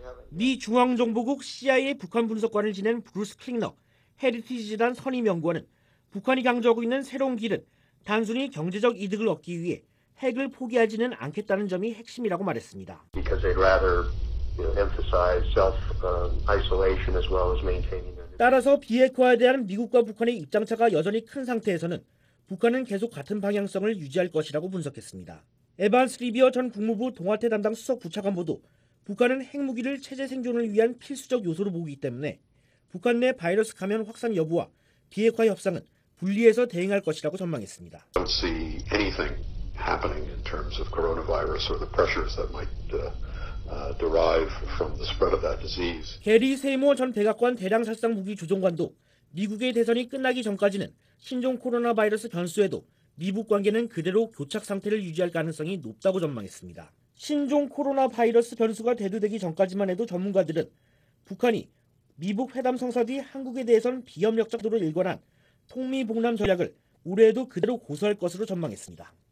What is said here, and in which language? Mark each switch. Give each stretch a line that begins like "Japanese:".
Korean: 미 중앙정보국 CIA 북한 분석관을 지낸 브루스 클링너 헤리티지 재단 선임연구원은 북한이 강조하고 있는 새로운 길은 단순히 경제적 이득을 얻기 위해 핵을 포기하지는 않겠다는 점이 핵심이라고 말했습니다.
English: Because they'd rather emphasize self-isolation as well as maintaining.
Korean: 따라서 비핵화에 대한 미국과 북한의 입장차가 여전히 큰 상태에서는 북한은 계속 같은 방향성을 유지할 것이라고 분석했습니다. 에반스 리비어 전 국무부 동아태 담당 수석 부차관보도 북한은 핵무기를 체제 생존을 위한 필수적 요소로 보기 때문에 북한 내 바이러스 감염 확산 여부와 비핵화 협상은 분리해서 대응할 것이라고 전망했습니다.
English: I don't see anything happening in terms of coronavirus or the pressures that might derive from the spread of that disease.
Korean: 게리 세이머 전 백악관 대량 살상 무기 조정관도 미국의 대선이 끝나기 전까지는 신종 코로나 바이러스 변수에도 미북 관계는 그대로 교착 상태를 유지할 가능성이 높다고 전망했습니다. 신종 코로나 바이러스 변수가 대두되기 전까지만 해도 전문가들은 북한이 미북 회담 성사 뒤 한국에 대해선 비협력적으로 일관한 통미봉남 전략을 올해에도 그대로 고수할 것으로 전망했습니다.